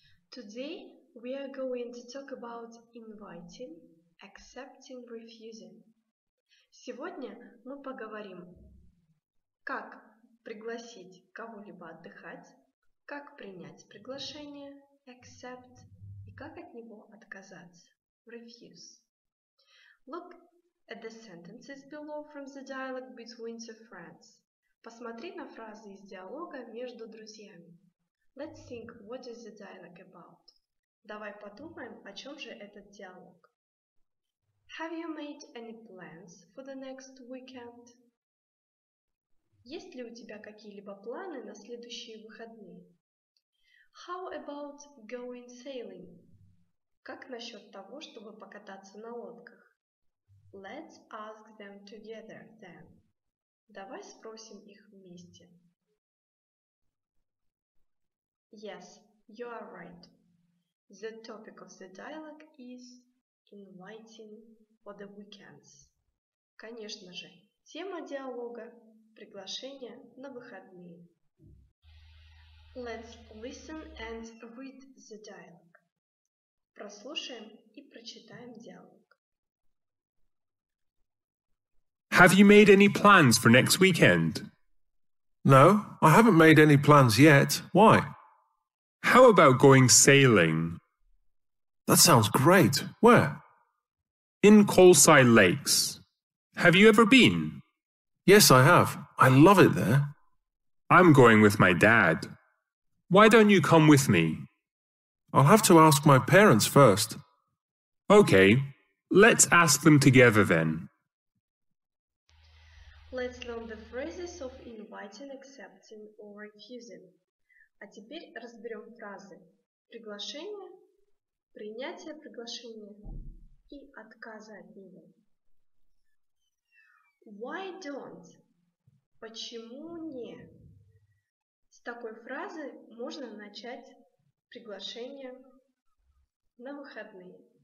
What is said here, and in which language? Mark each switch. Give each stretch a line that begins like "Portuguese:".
English: Today we are going to talk about inviting, accepting, refusing.
Russian: Сегодня мы поговорим, как пригласить кого-либо отдыхать, как принять приглашение, accept, и как от него отказаться, refuse.
English: Look at the sentences below from the dialogue between two friends.
Russian: Посмотри на фразы из диалога между друзьями.
English: Let's think what is the dialogue about.
Russian: Давай подумаем, о чем же этот диалог.
English: Have you made any plans for the next weekend?
Russian: Есть ли у тебя какие-либо планы на следующие выходные?
English: How about going sailing?
Russian: Как насчет того, чтобы покататься на лодках?
English: Let's ask them together then.
Russian: Давай спросим их вместе.
English: Yes, you are right. The topic of the dialogue is inviting for the weekends.
Russian: Конечно же, тема диалога – приглашение на выходные.
English: Let's listen and read the dialogue.
Russian: Прослушаем и прочитаем диалог.
English: Have you made any plans for next weekend? No, I haven't made any plans yet. Why? How about going sailing? That sounds great. Where? In Kolsai Lakes. Have you ever been? Yes, I have. I love it there. I'm going with my dad. Why don't you come with me? I'll have to ask my parents first. Okay, let's ask them together then. Let's learn the phrases of inviting, accepting, or refusing.
Russian: А теперь разберем фразы. Приглашение, принятие приглашения и отказа от него.
English: Why don't?
Russian: Почему не? С такой фразы можно начать приглашение на выходные.